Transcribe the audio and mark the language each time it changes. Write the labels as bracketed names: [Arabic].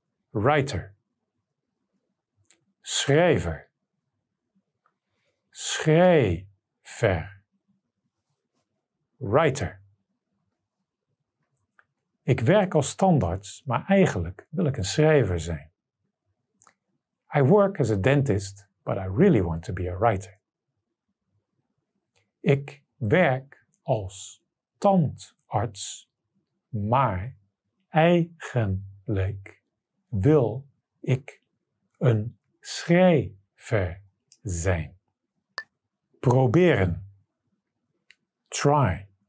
[Dutch] writer, schrijver, schrijver, writer. Ik werk als tandarts, maar eigenlijk wil ik een schrijver zijn. [English] I work as a dentist, but I really want to be a writer. [Dutch] Ik werk als tandarts, maar eigenlijk wil ik een schrijver zijn. Proberen. Try.